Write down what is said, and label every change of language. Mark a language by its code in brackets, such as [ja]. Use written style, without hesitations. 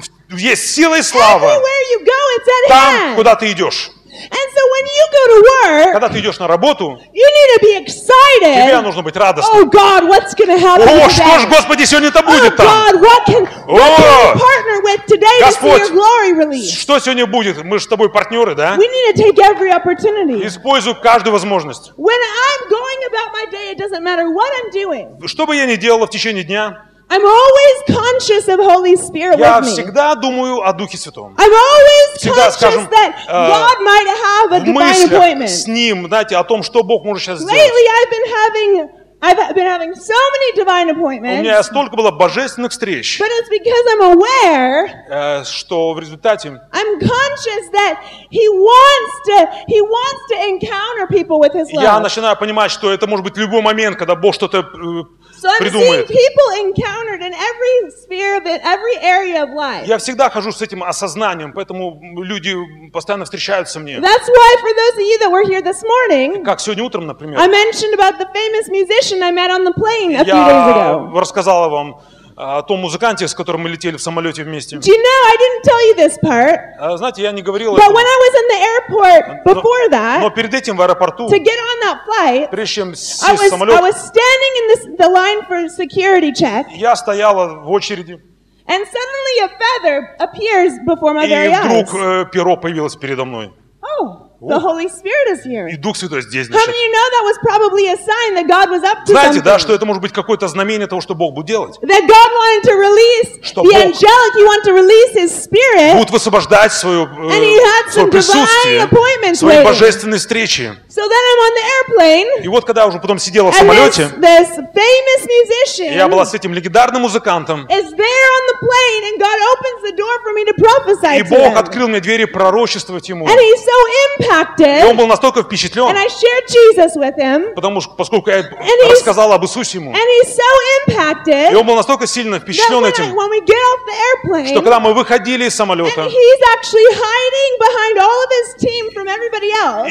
[ru] Есть сила и слава там, куда ты идешь. [en] And so when you go to work, [ru] когда ты идешь на работу, [en] you need to be excited. [ru] Тебе нужно быть радостным. [en] Oh God, what's going to happen today? [ru] О, что ж, Господи, сегодня-то будет там? [en] Oh God, what can we partner with today to see your glory release? [ru] Что сегодня будет? Мы же с тобой партнеры, да? [en] We need to take every opportunity. [ru] Используй каждую возможность. [en] When I'm going about my day, it doesn't matter what I'm doing. [ru] Что бы я ни делал в течение дня. [en] I'm always conscious of Holy Spirit with me. [ru] Я всегда думаю о Духе Святом. [en] I'm always conscious that God might have a divine appointment. [ru] С ним, знаете, о том, что Бог может сейчас сделать. [en] Lately, I've been having so many divine appointments. [ru] У меня столько было божественных встреч. [en] But it's because I'm aware. [ru] Что в результате? [en] I'm conscious that He wants to encounter people with His love. [ru] Я начинаю понимать, что это может быть любой момент, когда Бог что-то [en] So I'm [ru] придумает. [en] Seeing people encountered in every sphere of it, every area of life. [ru] Я всегда хожу с этим осознанием, поэтому люди постоянно встречаются мне. [en] That's why for those of you that were here this morning, [ru] как сегодня утром, например, [en] I mentioned about the famous musician I met on the plane a few days ago. [ru] Я рассказала вам о том музыканте, с которым мы летели в самолете вместе. [en] Do you know, I didn't tell you this part. [ru] Знаете, я не говорил [en] But [ru] этого. [en] When I was in the airport before that, [ru] но перед этим в аэропорту, [en] to get on that flight, [ru] прежде чем сесть в самолет, [en] I was standing in the line for security check, [ru] я стояла в очереди, [en] and suddenly a feather appears before my [ru] и [en] very [ru] вдруг [en] eyes. [ru] Перо появилось передо мной. [en] Oh. The Holy Spirit is here. [ru] И Дух Святой здесь, значит. [en] How many of you know that was probably a sign that God was up to something? [ru] Знаете, да, что это может быть какое-то знамение того, что Бог будет делать? [en] That God wanted to release [ru] что [en] the [ru] Бог [en] angelic, He wanted to release His Spirit. [ru] Будет высвобождать свое [en] And He had some divine appointments [ru] свои божественные встречи. [en] So then I'm on the airplane. [ru] И вот когда я уже потом сидела в самолете. [en] And this famous musician. [ru] Я была с этим легендарным музыкантом. [en] Is there on the plane, and God opens the door for me to prophesy. [ru] И Бог открыл мне двери пророчествовать ему. [en] And he's so impacted. [ru] И он был настолько впечатлен. [en] And I shared Jesus with him. [ru] Потому что, поскольку я рассказала об Иисусе ему. [en] And he's so impacted. [ru] И он был настолько сильно впечатлен этим. [en] When we get off the airplane. [ru] Что когда мы выходили из самолета. [en] And he's actually hiding behind all of his team from everybody else.